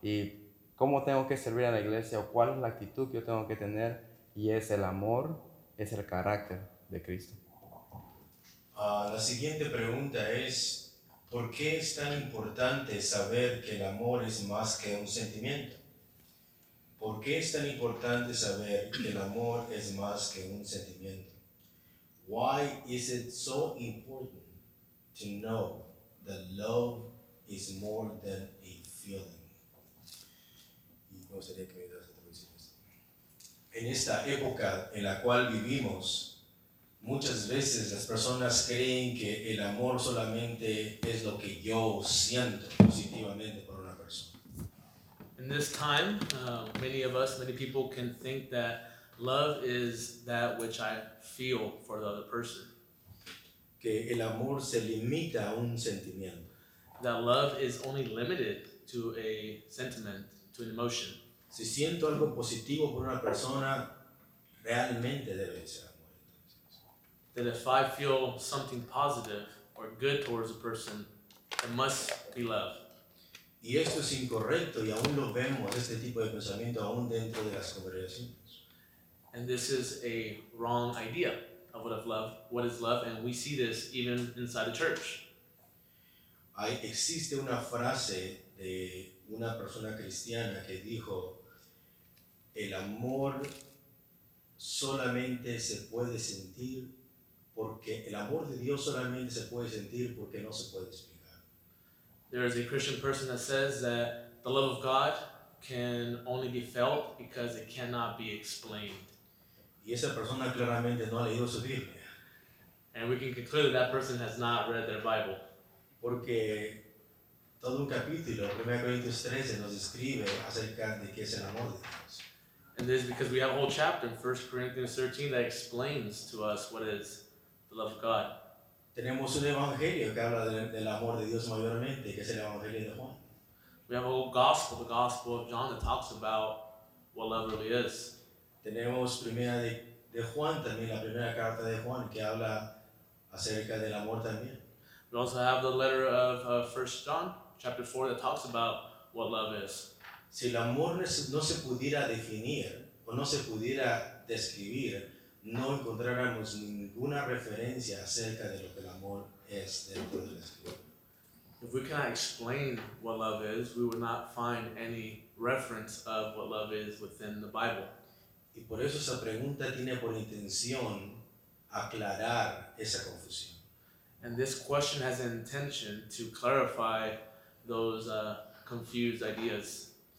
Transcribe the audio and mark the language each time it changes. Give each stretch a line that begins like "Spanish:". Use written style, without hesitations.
Spanish: Y cómo tengo que servir en la iglesia, o cuál es la actitud que yo tengo que tener, y es el amor, es el carácter de Cristo. La siguiente pregunta es, ¿por qué es tan importante saber que el amor es más que un sentimiento? ¿Por qué es tan importante saber que el amor es más que un sentimiento?
English: Why is it so important to know that love is more than a feeling?
Spanish: Y no sería que me das traducciones. En esta época en la cual vivimos, muchas veces las personas creen que el amor solamente es lo que yo siento positivamente por una persona.
English: In this time, many of us, many people can think that love is that which I feel for the other person.
Spanish: Que el amor se limita a un sentimiento.
English: That love is only limited to a sentiment, to an emotion.
Spanish: Si siento algo positivo por una persona, realmente debe ser.
English: That if I feel something positive or good towards a person, it must be love.
Spanish: Y esto es incorrecto, y aún lo vemos, este tipo de pensamiento, aún dentro de las congregaciones.
English: And this is a wrong idea of what is love, and we see this even inside a church.
Spanish: Existe una frase de una persona cristiana que dijo, el amor solamente se puede sentir porque el amor de Dios solamente se puede sentir porque no se puede explicar.
English: There is a Christian person that says that the love of God can only be felt because it cannot be explained.
Spanish: Y esa persona claramente no ha leído su Biblia.
English: And we can conclude that person has not read their Bible.
Spanish: Porque todo un capítulo, 1 Corintios 13, nos describe acerca de qué es el amor de Dios.
English: And this is because we have a whole chapter in 1 Corinthians 13 that explains to us what is love of God.
Spanish: Tenemos un evangelio que habla del amor de Dios mayormente, que es el evangelio de Juan.
English: We have a whole gospel, the gospel of John, that talks about what love really is.
Spanish: Tenemos primera de Juan también, la primera carta de Juan, que habla acerca del amor también.
English: We also have the letter of 1 John, chapter 4, that talks about what love is.
Spanish: Si el amor no se pudiera definir, o no se pudiera describir, no encontraremos ninguna referencia acerca de lo que el amor es dentro de la Escritura.
English: If we cannot explain what love is, we would not find any reference of what love is within the Bible.
Spanish: Y por eso esa pregunta tiene por intención aclarar esa confusión.
English: And this question has an intention to clarify those confused ideas.